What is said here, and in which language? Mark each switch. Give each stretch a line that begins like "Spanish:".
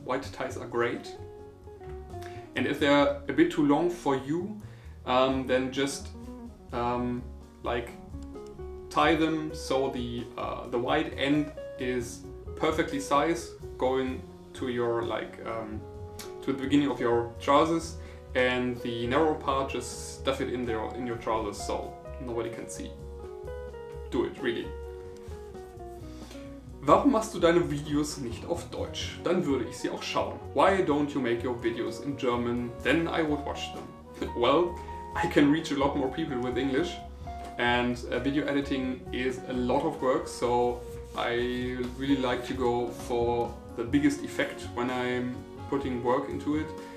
English: Wide ties are great. And if they're a bit too long for you, then just tie them so the wide end is perfectly sized going to your to the beginning of your trousers, and the narrow part just stuff it in your trousers so nobody can see. Do it, really.
German: Warum machst du deine Videos nicht auf Deutsch? Dann würde ich sie auch schauen.
English: Why don't you make your videos in German? Then I would watch them. Well, I can reach a lot more people with English. And video editing is a lot of work, so I really like to go for the biggest effect when I'm putting work into it.